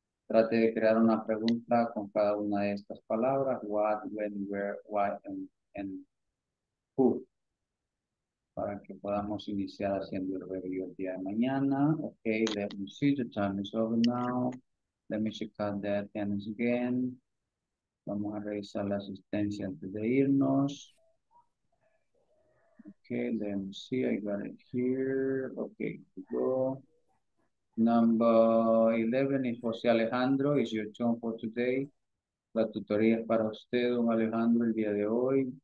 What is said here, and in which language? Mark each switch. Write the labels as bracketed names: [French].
[Spanish] Trate de crear una pregunta con cada una de estas palabras. [English] What, when, where, why, and who. [Spanish] Para que podamos iniciar haciendo el review el día de mañana. [English] Okay, let me see, the time is over now. Let me check out the attendance again. [Spanish] Vamos a revisar la asistencia antes de irnos. [English] Okay, let me see, I got it here. Okay, here we go. Number 11 is José Alejandro, is your turn for today. [Spanish] La tutoría es para usted, don Alejandro, el día de hoy.